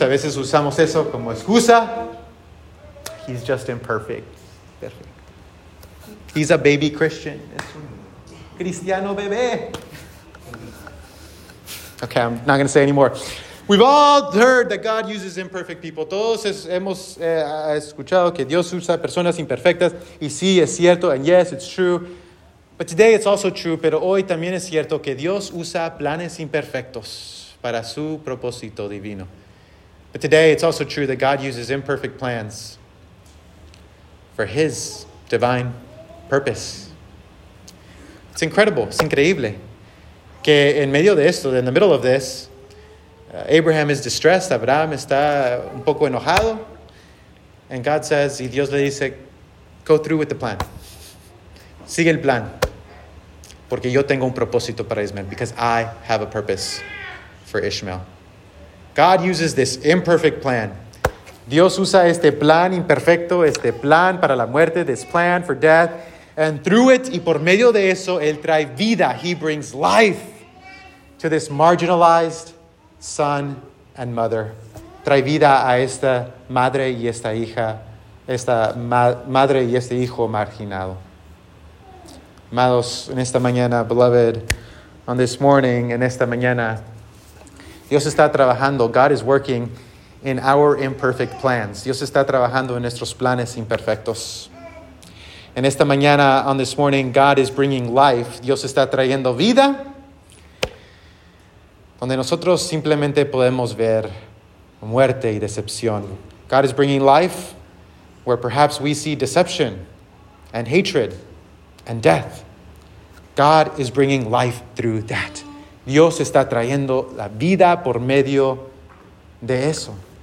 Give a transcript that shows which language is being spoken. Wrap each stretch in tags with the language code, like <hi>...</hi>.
<es>A veces usamos eso como excusa.</es> <en>He's just imperfect. Perfect. He's a baby Christian.</en> <es>Es un cristiano bebé.</es> <en>Okay, I'm not going to say anymore. We've all heard that God uses imperfect people.</en> <es>Todos hemos escuchado que Dios usa personas imperfectas. Y sí, es cierto.</es> <en>And yes, it's true. But today it's also true.</en> <es>Pero hoy también es cierto que Dios usa planes imperfectos para su propósito divino.</es> <en>But today it's also true that God uses imperfect plans for his divine purpose. It's incredible.</en> <es>Es increíble que en medio de esto,</es> <en>in the middle of this, Abraham is distressed.</en> <es>Abraham está un poco enojado.</es> <en>And God says,</en> <es>y Dios le dice,</es> <en>go through with the plan.</en> <es>Sigue el plan. Porque yo tengo un propósito para Ismael.</es> <en>Because I have a purpose for Ishmael. God uses this imperfect plan.</en> <es>Dios usa este plan imperfecto, este plan para la muerte,</es> <en>this plan for death. And through it,</en> <es>y por medio de eso, él trae vida.</es> <en>He brings life to this marginalized son and mother.</en> <es>Trae vida a esta madre y esta hija, esta madre y este hijo marginado. Amados, en esta mañana,</es> <en>beloved, on this morning,</en> <es>en esta mañana, Dios está trabajando.</es> <en>God is working in our imperfect plans.</en> <es>Dios está trabajando en nuestros planes imperfectos. En esta mañana,</es> <en>on this morning, God is bringing life.</en> <es>Dios está trayendo vida. Donde nosotros simplemente podemos ver muerte y decepción.</es> <en>God is bringing life where perhaps we see deception and hatred and death. God is bringing life through that.</en> <es>Dios está trayendo la vida por medio de eso.</es>